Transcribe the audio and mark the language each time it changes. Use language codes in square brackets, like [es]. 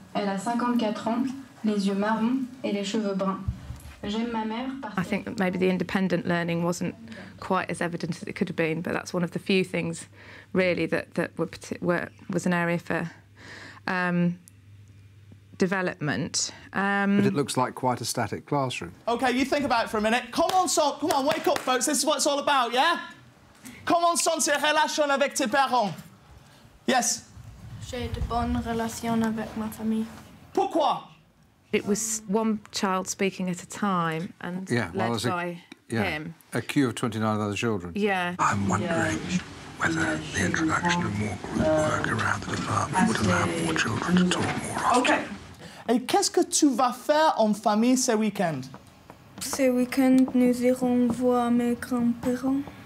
[fr] Elle a 54 ans, les yeux marrons et les cheveux bruns. [en] I think that maybe the independent learning wasn't quite as evident as it could have been, but that's one of the few things, really, that was an area for development. But it looks like quite a static classroom. OK, you think about it for a minute. Come on, son, come on, wake up, folks. This is what it's all about, yeah? [fr] Comment sont tes relations avec tes parents? [en] Yes? [fr] J'ai de bonnes relations avec ma famille. Pourquoi? [en] It was one child speaking at a time and led by him. A queue of 29 other children. Yeah. I'm wondering whether the introduction of more group work around the department would allow more children to talk more often. OK. [fr] Et qu'est-ce que tu vas faire en famille ce week-end? Ce week-end, nous irons voir mes grands-parents.